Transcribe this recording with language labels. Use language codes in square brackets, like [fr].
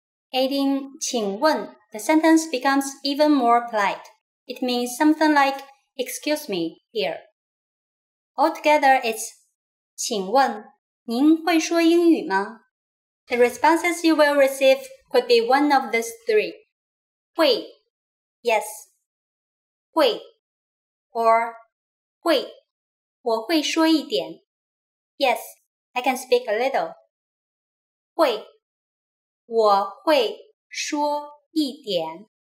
[en] Adding 请问, the sentence becomes even more polite. It means something like, excuse me, here. Altogether, it's [zh] 请问您会说英语吗? [en] The responses you will receive could be one of these three. [zh] 会, yes. 会, or 会, 我会说一点. [en] Yes, I can speak a little. [zh] 会, 我会说一点.